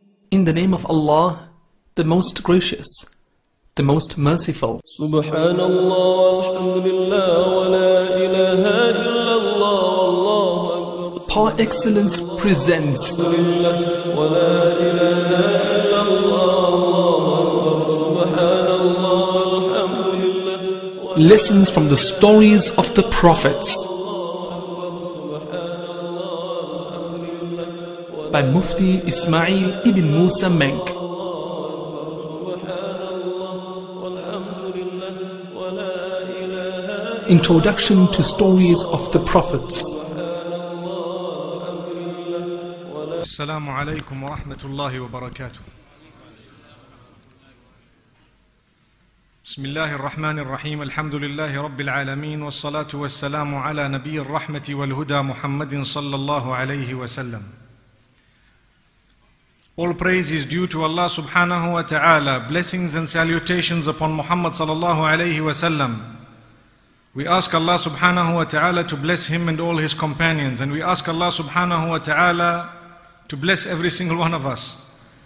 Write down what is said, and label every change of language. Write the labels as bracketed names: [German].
[English] In the name of Allah, the most gracious, the most merciful. [Arabic] سبحان الله والحمد لله ولا إله إلا الله والله أكبر. [English] Par excellence presents. Lessons from the stories of the prophets by Mufti Ismail ibn Musa Menk. Introduction to Stories of the Prophets. [Arabic] Assalamu alaykum wa rahmatullahi wa barakatuh. بسم الله الرحمن الرحيم الحمد لله رب العالمين والصلاة والسلام على نبي الرحمة والهدى محمد صلى الله عليه وسلم. [English] All praise is due to Allah subhanahu wa ta'ala. Blessings and salutations upon Muhammad [Arabic] صلى الله عليه وسلم. [English] We ask Allah subhanahu wa ta'ala to bless him and all his companions, and we ask Allah subhanahu wa ta'ala to bless every single one of us.